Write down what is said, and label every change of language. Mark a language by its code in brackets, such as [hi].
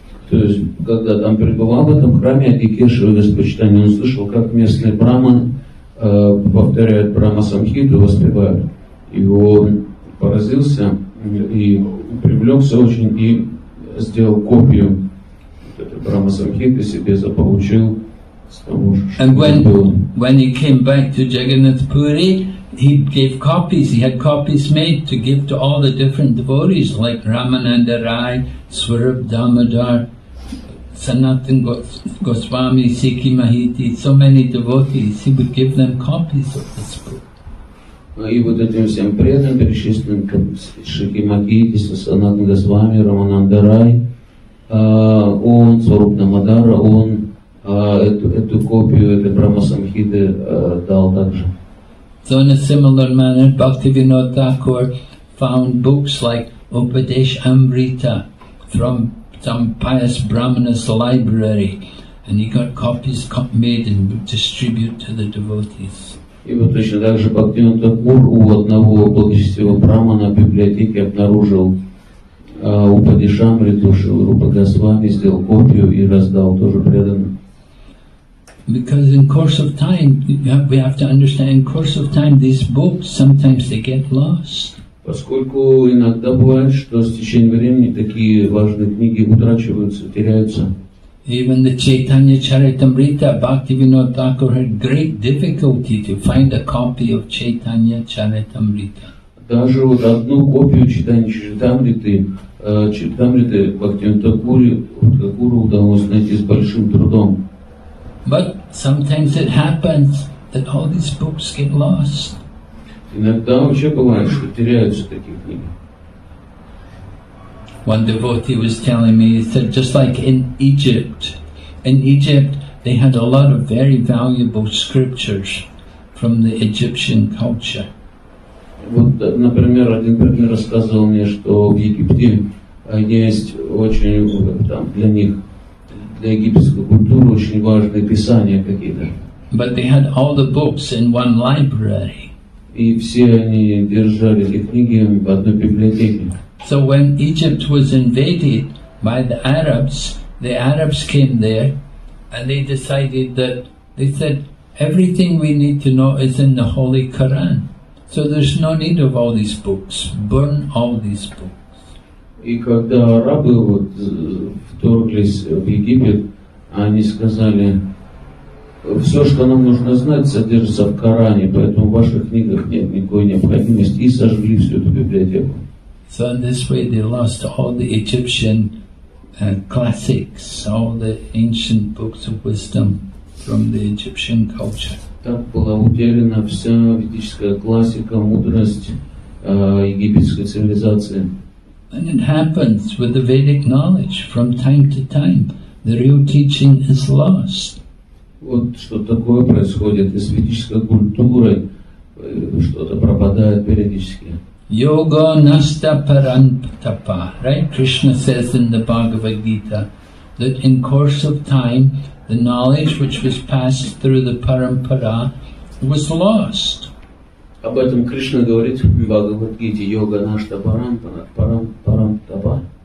[ru] То есть, когда там пребывал в этом храме Адикешева Господь Читания, он слышал, как местный Брахман повторяет Брахма Самхиту, воспевает. И он поразился и привлекся очень и сделал копию Брахма Самхиты себе, заполучил с того, что [en] And when he came back to Jagannath Puri, he gave copies, he had copies made to give to all the different devotees like Ramananda Rai, Swarup Damodar, Sanatan Goswami, Sikhi Mahiti, so many devotees, he would give them copies of this book. [ru] И вот этим всем преданным, перечисленным Шихи Махиити, Сасанатан Госвами, Рамананда Рай, он, Сваруп Дамодара, он эту копию, этой Брахма Самхиты дал также. [en] So in a similar manner, Bhaktivinoda Thakur found books like Upadesh Amrita from some pious Brahmanas library, and he got copies made and distributed to the devotees. [ru] И вот точно так же Бхактивинод Такур у одного благочестивого брахмана в библиотеке обнаружил Упадеш Амриту, Шрила Рупа Госвами, сделал копию и раздал тоже преданным. [en] Because in course of time, we have to understand, in course of time, these books, sometimes they get lost. [ru] Поскольку иногда бывает, что с течением времени такие важные книги утрачиваются, теряются. [en] Even the Chaitanya Charitamrita, Bhaktivinoda Thakur had great difficulty to find a copy of Chaitanya Charitamrita. [ru] Даже вот одну копию Chaitanya Charitamrita, Бхактивинода Такуру удалось найти с большим трудом. [en] But sometimes it happens that all these books get lost. [ru] Иногда вообще бывает, что теряются такие книги. [en] One devotee was telling me, he said, just like in Egypt they had a lot of very valuable scriptures from the Egyptian culture. [ru] Вот, например, один пример рассказывал мне, что в Египте есть очень там для них, для египетской культуры очень важные писания какие-то. [en] But they had all the books in one library. [ru] И все они держали эти книги в одной библиотеке. [en] So when Egypt was invaded by the Arabs came there and they decided that, they said, everything we need to know is in the Holy Quran. So there's no need of all these books. Burn all these books. [ru] И когда арабы вот вторглись в Египет, они сказали, все, что нам нужно знать, содержится в Коране, поэтому в ваших книгах нет никакой необходимости, и сожгли всю эту библиотеку. [en] So in this way they lost all the Egyptian classics, all the ancient books of wisdom from the Egyptian culture. [ru] Так была утеряна вся ведическая классика, мудрость египетской цивилизации. [en] And it happens with the Vedic knowledge from time to time. The real teaching is lost. [ru] Вот что такое происходит с ведической культурой, что-то пропадает периодически. [sa] Yoga nasta parantapa, right? [en] Krishna says in the Bhagavad Gita that in course of time the knowledge which was passed through the parampara was lost. [ru] Об этом Кришна говорит в Бхагавад Гите, [sa] йога нашта парантапа.